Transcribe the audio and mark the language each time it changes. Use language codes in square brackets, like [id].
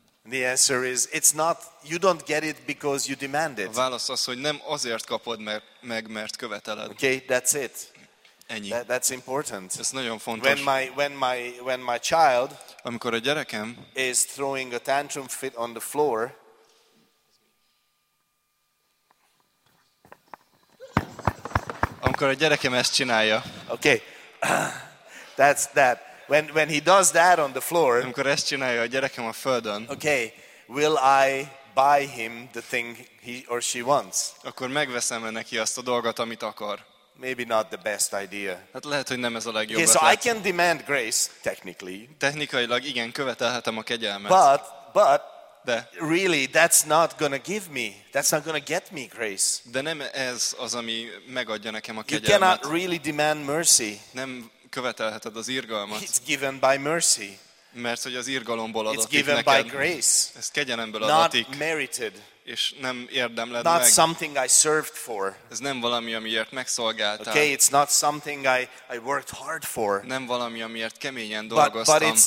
[en] The answer is it's not you don't get it because you demand it. [hu] A válasz az, hogy nem azért kapod mert követeled. [en] Okay, that's it. [hu] Ennyi. [en] That's important. [hu] Ez nagyon fontos. [en] When my child, [hu] amikor a gyerekem [en] is throwing a tantrum fit on the floor. [hu] Amikor a gyerekem ezt csinálja. [en] Okay. That's that. When he does that on the floor, [hu] amikor ezt csinálja a gyerekem a földön, [en] okay, will I buy him the thing he or she wants? [hu] Akkor megveszem-e neki azt a dolgot, amit akar? [en] Maybe not the best idea. [hu] Hát lehet, hogy nem ez a legjobb. [en] Okay, so [hu] lehet. [en] I can demand grace technically. [hu] Technikailag igen, követelhetem a kegyelmet. [en] But [hu] de [en] really that's not gonna give me, that's not gonna get me grace. [hu] De nem ez az, ami megadja nekem a kegyelmet. [en] You cannot really demand mercy. [hu] Nem követelheted az irgalmat. [en] It's given by mercy. [hu] Mert hogy az irgalomból adatik neked. [en] It's given [hu] neked. [en] By grace. [hu] Ez kegyelemből [en] not [hu] adatik. [en] Not merited. [hu] És nem érdemled [en] not [hu] meg. [en] Not something I served for. [hu] Ez nem valami, amiért megszolgáltál. [en] Okay, it's not something I worked hard for. [hu] Nem valami, amiért keményen dolgoztam.